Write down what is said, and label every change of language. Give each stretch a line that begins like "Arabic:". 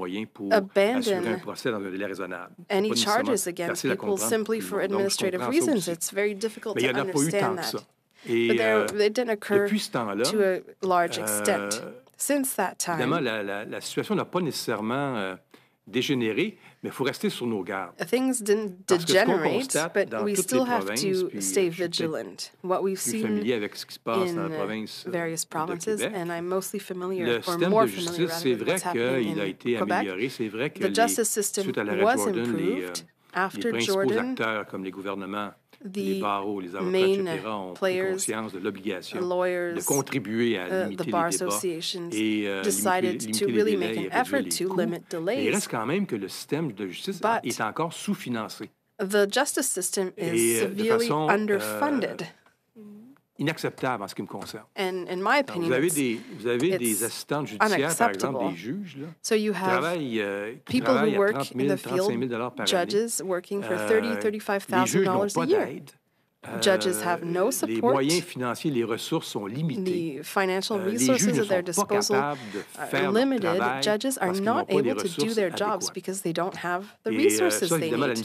English: Any state proceedings, it's hard to understand why you could abandon any charges against people simply for administrative reasons. It's very difficult to understand that.
French: Et,
English: it didn't occur to a large extent since that time.
French: Évidemment, la situation n'a pas nécessairement dégénéré, mais il faut rester sur nos gardes.
English: Things didn't degenerate, but we still have to stay vigilant. What we've seen in various provinces, and I'm mostly familiar, the justice system was improved after Jordan. The main players, the bar associations, decided to really make an effort to limit delays.
French: Il reste quand même que le système de justice est encore sous-financé.
English: The justice system is severely underfunded.
French: Inacceptable en ce qui me concerne.
English: And in my opinion,
French: vous avez des assistants judiciaires, par exemple, des juges, là,
English: so you have people who work in the field, judges working for $30,000-$35,000 a year. Judges have no support.
French: Les moyens financiers, les ressources sont limitées.
English: The financial resources at their disposal are limited. Judges are not able to do their jobs because they don't have the resources they need.